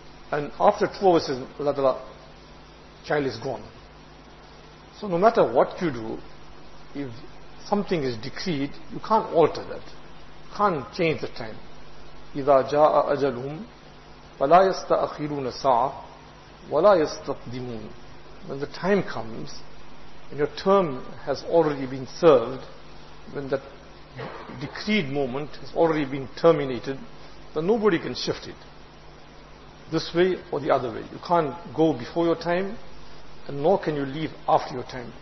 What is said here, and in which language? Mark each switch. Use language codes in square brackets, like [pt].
[en] And after 2 hours, Allah Ta'ala, child is gone. So no matter what you do, if something is decreed, you can't alter that. Can't change the time. [ar] إِذَا جَاءَ أَجَلُهُمْ فلا يستأخرون ساعة ولا يستقدمون. [en] When the time comes and your term has already been served, when that decreed moment has already been terminated, then nobody can shift it this way or the other way. You can't go before your time and nor can you leave after your time.